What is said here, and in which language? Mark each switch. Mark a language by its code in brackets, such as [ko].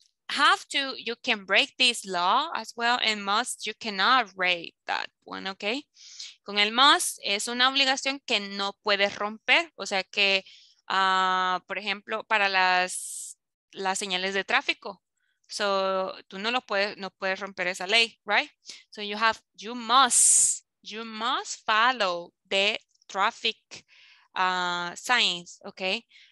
[en] Have to, you can break this law as well, and must, you cannot break that one, okay? [es] Con el must, es una obligación que no puedes romper, o sea que, por ejemplo, para las señales de tráfico, so tú no puedes romper esa ley, [en] right? So you must follow the traffic signs, okay?